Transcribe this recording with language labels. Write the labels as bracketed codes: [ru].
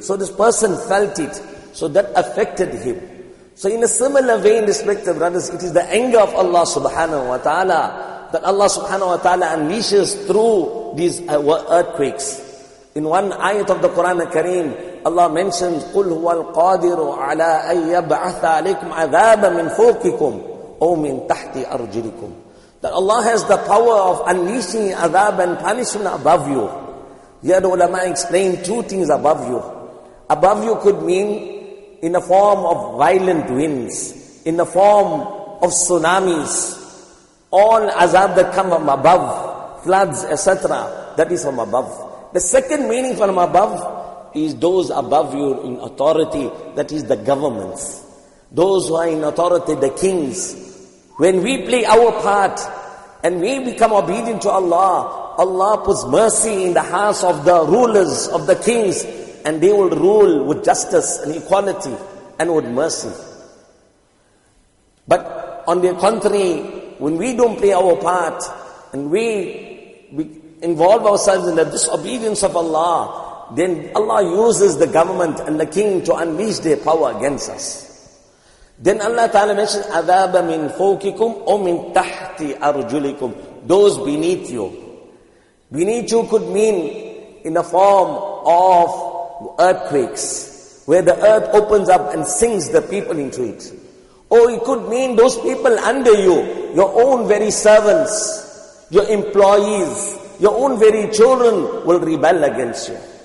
[en] So this person felt it. So that affected him. So in a similar vein, respected brothers, it is the anger of Allah subhanahu wa ta'ala that Allah subhanahu wa ta'ala unleashes through these earthquakes. In one ayat of the Quran al-Kareem, Allah mentions, [ar] قُلْ هُوَ الْقَادِرُ عَلَىٰ أَن يَبْعَثَ عَلَيْكُمْ عَذَابًا مِنْ فَوْقِكُمْ أَوْ مِنْ تَحْتِ أَرْجِلِكُمْ. [en] That Allah has the power of unleashing azab and punishment above you. Here the ulama explained two things above you. Above you could mean in the form of violent winds, in the form of tsunamis, all azab that come from above, floods, etc., that is from above. The second meaning from above is those above you in authority, that is the governments. Those who are in authority, the kings. When we play our part and we become obedient to Allah, Allah puts mercy in the hearts of the rulers, of the kings, and they will rule with justice and equality and with mercy. But on the contrary, when we don't play our part and we involve ourselves in the disobedience of Allah, then Allah uses the government and the king to unleash their power against us. Then Allah Ta'ala mentions, [ar] عَذَابَ مِنْ فَوْكِكُمْ أَوْ مِنْ تَحْتِ أَرْجُلِكُمْ. [en] Those beneath you. Beneath you could mean in the form of earthquakes, where the earth opens up and sinks the people into it. Or it could mean those people under you, your own very servants, your employees, your own very children will rebel against you.